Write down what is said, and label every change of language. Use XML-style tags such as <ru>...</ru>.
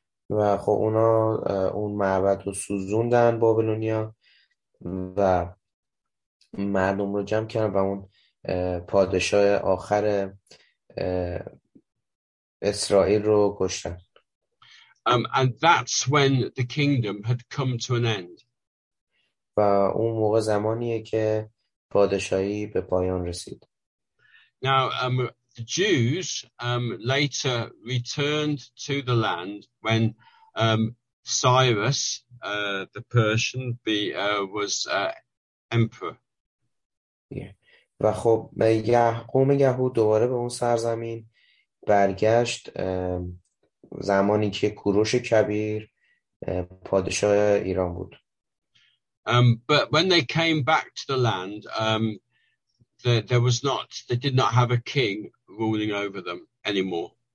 <fa>و خب اونا اون معبد رو سوزوندن بابلونیا و مردم رو جمع کردن و اون پادشاه آخر اسرائیل رو کشتن.</fa> <en>And that's when the kingdom had come to an end.</en> <fa>و اون موقع زمانیه که پادشاهی به پایان رسید.</fa> <en>Now the Jews later returned to the land when Cyrus the Persian was emperor. Yeah.</en> <fa>و خب قوم یهود دوباره به اون سرزمین برگشت زمانی که کوروش کبیر پادشاه ایران بود.</fa> <en>But when they came back to the land, they did not have a king ruling over them anymore.</en>